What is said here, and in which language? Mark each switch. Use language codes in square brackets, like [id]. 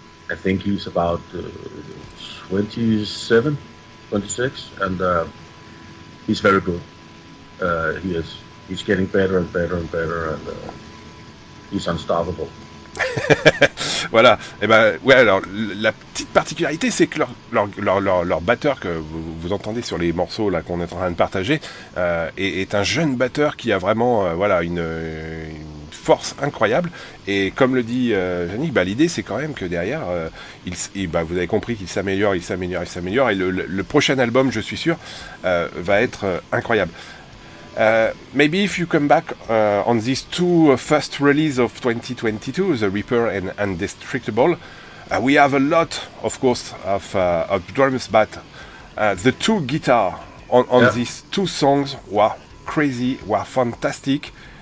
[en] I think he's about 27, 26, and he's very good. He's getting better and better and better, and he's unstoppable. [fr] Voilà, et ben ouais, alors la petite particularité, c'est que leur batteur que vous entendez sur les morceaux là qu'on est en train de partager est un jeune batteur qui a vraiment une force incroyable. Et comme le dit Yannick, l'idée c'est quand même que derrière vous avez compris qu'il s'améliore, il s'améliore, il s'améliore, et le prochain album, je suis sûr, va être incroyable. [en] Maybe if you come back on these two first releases of 2022, The Reaper and Undestructible, we have a lot, of course, of drums, but the two guitar on yeah. these two songs were crazy, were fantastic.